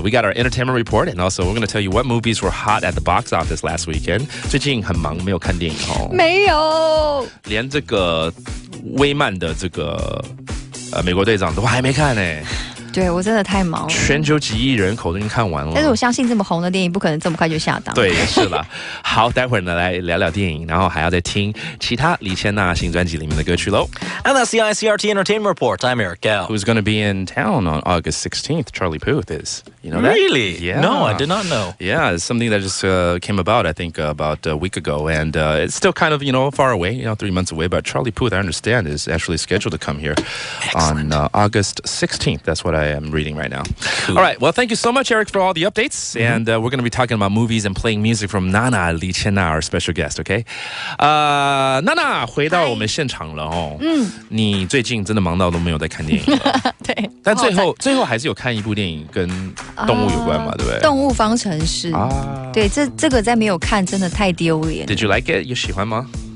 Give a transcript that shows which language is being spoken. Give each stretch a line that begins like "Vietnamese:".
English: We got our entertainment report and also we're going to tell you what movies were hot at the box office last weekend.
Chinese: 最近很忙，没有看电影哦。没有。连这个 威曼的这个美国队长都还没看呢，对，我真的太忙了，全球几亿人口都已经看完了，但是我相信这么红的电影不可能这么快就下档，对，是啦。好，待会儿呢来聊聊电影，然后还要再听其他李千娜新专辑里面的歌曲咯。
English: And that's the ICRT Entertainment Report. I'm Eric Gao. Who's going to be in town on August 16th? Charlie Puth is. You know that? Really? Yeah. No, I did not know. Yeah, it's something that just came about, I think, about a week ago. And it's still kind of, you know, far away, you know, 3 months away. But Charlie Puth, I understand, is actually scheduled to come here on August 16th. That's what I am reading right now. Cool. All right. Well, thank you so much, Eric, for all the updates. Mm-hmm. And we're going to be talking about movies and playing music from Nana Li Qianna, our special guest, okay?
Chinese: Nana, 回到我们现场了哦。你最近真的忙到都没有在看电影了。对。但最后还是有看一部电影跟动物有关嘛，对不对？动物方程式。对，这个在没有看，真的太丢脸。
English: Did you like it?
Chinese: 有喜欢吗？